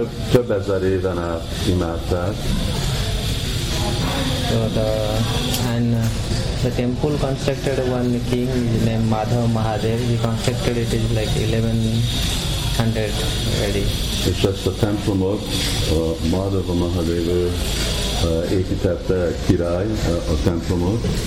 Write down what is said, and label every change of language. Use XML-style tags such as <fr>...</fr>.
<hu>több ezer éven át imádták.</hu> <en>So the temple constructed one king named Madhava Mahadev. He constructed it is like 1100 AD.</en> <hu>És ezt a templomot a Madhava Mahadev építette a király a templomot.</hu>